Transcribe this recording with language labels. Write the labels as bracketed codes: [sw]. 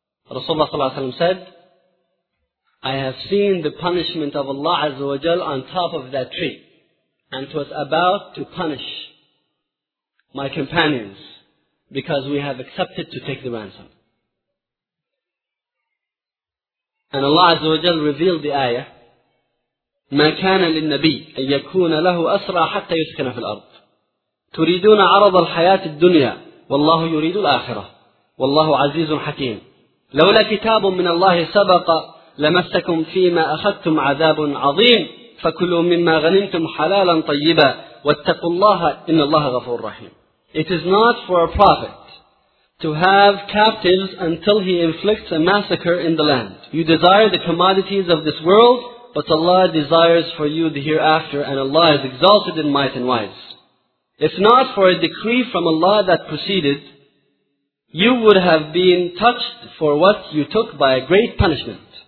[en] Rasulullah ﷺ said, I have seen the punishment of Allah Azza wa Jal on top of that tree. And it was about to punish my companions because we have accepted to take the ransom. And Allah Azza wa Jal revealed the ayah, [ar] مَا كَانَ لِلنَّبِيِّ أَن يَكُونَ لَهُ أَسْرَى حَتَّى يُسْكَنَ فِي الْأَرْضِ تُرِيدُونَ عَرَضَ الْحَيَاةِ الدُّنْيَا وَاللَّهُ يُرِيدُ الْآخِرَةِ وَاللَّهُ عَزِيزٌ حَكِيمٌ لَوْلَا كِتَابٌ مِّنَ اللَّهِ سَبَقَ لَمَسَّكُمْ فِي مَا أَخَذْتُمْ عَذَابٌ عَظِيمٌ فَكُلُوا مِمَّا غَنِمْتُمْ حَلَالًا طَيِّبًا وَاتَّقُوا اللَّهَ إِنَّ اللَّهَ غَفُورٌ رَّحِيمٌ. [en] It is not for a prophet to have captives until he inflicts a massacre in the land. You desire the commodities of this world, but Allah desires for you the hereafter, and Allah is exalted in might and wise. If not for a decree from Allah that preceded, you would have been touched for what you took by a great punishment.